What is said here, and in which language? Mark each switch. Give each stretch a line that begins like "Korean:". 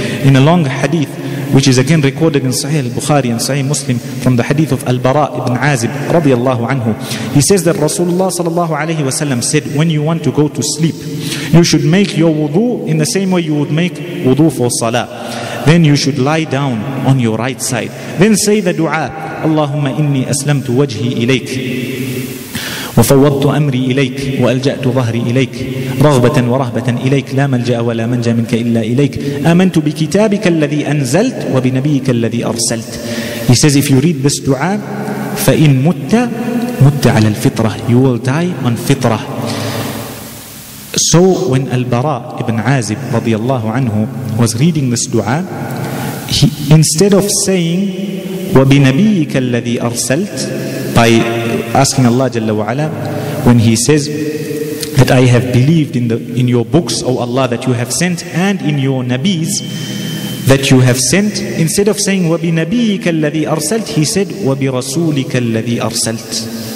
English: In a long hadith, which is again recorded in Sahih al-Bukhari and Sahih Muslim from the hadith of Al-Bara ibn Azib radiallahu anhu. He says that Rasulullah sallallahu alayhi wa sallam said, when you want to go to sleep, you should make your wudu in the same way you would make wudu for salah. Then you should lie down on your right side. Then say the dua,
Arabic: Allahumma inni aslamtu wajhi ilayk. وفوضت أمري إليك وألجأت ظهري إليك رغبة ورهبة إليك لا ملجأ ولا منجا منك إلا إليك آمنت بكتابك الذي أنزلت وبنبيك الذي أرسلت.
English: He says if you read this dua
Arabic: فإن مت مت على الفطرة.
English: You will die on فطرة. So when البراء ابن عازب رضي الله عنه was reading this dua, he, instead of saying
Arabic: وبنبيك الذي أرسلت,
English: by asking Allah Jalla wa Ala, when he says that I have believed in your books, O Allah, that you have sent, and in your Nabis that you have sent, instead of saying
Arabic: wa bi nabiyyika alladhi arsalt,
English: he said
Arabic: wa bi rasulika alladhi arsalt.